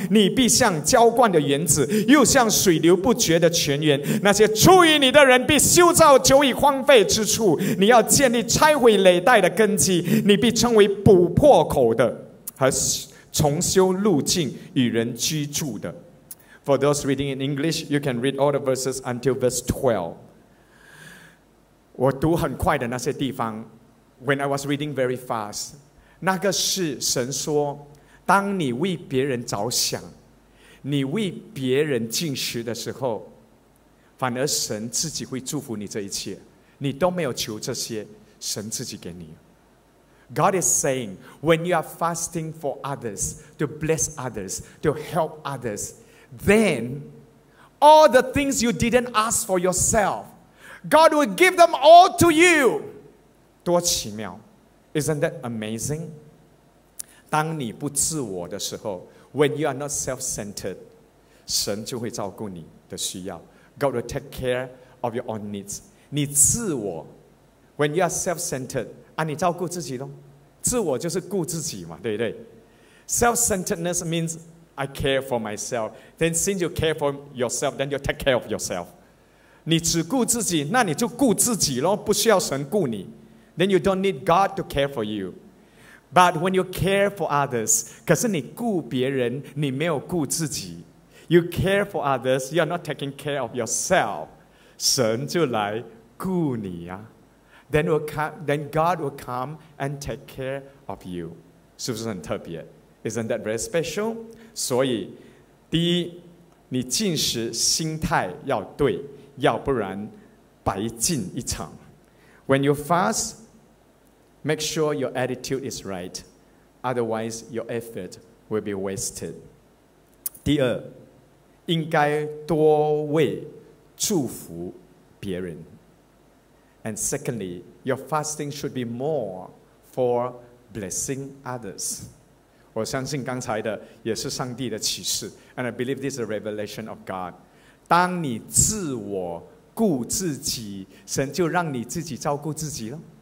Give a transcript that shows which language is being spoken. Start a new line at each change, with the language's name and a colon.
Chinese: 你必像浇灌的园子，又像水流不绝的泉源。那些出于你的人必修造久已荒废之处，你要建立拆毁垒带的根基。你必称为补破口的和重修路径与人居住的。
English: For those reading in English, you can read all the verses until verse 12.
Chinese: 我读很快的那些地方
English: When I was reading very fast,
Chinese: 那个是神说，当你为别人着想，你为别人进食的时候，反而神自己会祝福你这一切，你都没有求这些，神自己给你。
English: God is saying, when you are fasting for others, to bless others, to help others, then all the things you didn't ask for yourselfGod will give them all to you.
Chinese: 多奇妙
English: Isn't that amazing?
Chinese: 当你不自我的时候
English: When you are not self-centered,
Chinese: 神就会照顾你的需要。 God will take care of your own needs. 你自我
English: When you are self-centered,
Chinese: 啊，你照顾自己咯。自我就是顾自己嘛，对不对？
English: Self-centeredness means I care for myself. Then since you care for yourself, then you take care of yourself.
Chinese: 你只顾自己，那你就顾自己咯，不需要神顾你。
English: Then you don't need God to care for you. But when you care for others,
Chinese: 可是你顾别人，你没有顾自己。
English: You care for others, you are not taking care of yourself.
Chinese: 神就来顾你啊。
English: Then God will come and take care of you.
Chinese: 是不是很特别？
English: Isn't that very special?
Chinese: 所以第一，你进食心态要对，要不然白进一场。
English: When you fast, make sure your attitude is right. Otherwise, your effort will be wasted.
Chinese: 第二，应该多为祝福别人。
English: And secondly, your fasting should be more for blessing others.
Chinese: 我相信刚才的也是上帝的启示。
English: And I believe this is a revelation of God.
Chinese: 当你自我顾自己，神就让你自己照顾自己了。